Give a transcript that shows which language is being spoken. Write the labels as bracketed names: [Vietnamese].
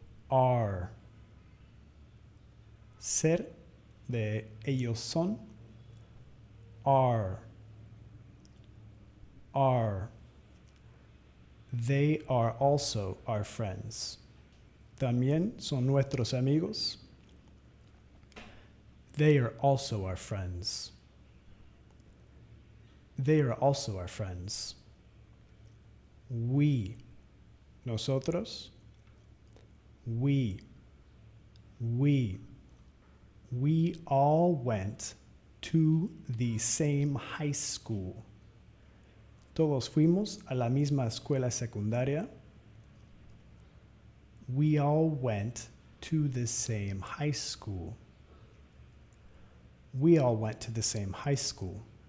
[English] Are. [Spanish] Ser, de ellos son. Are. [English] Are. They are also our friends. [Spanish] También son nuestros amigos. [English] They are also our friends. They are also our friends. We. Nosotros. We. We. We all went to the same high school. [Spanish] Todos fuimos a la misma escuela secundaria. [English] We all went to the same high school. We all went to the same high school.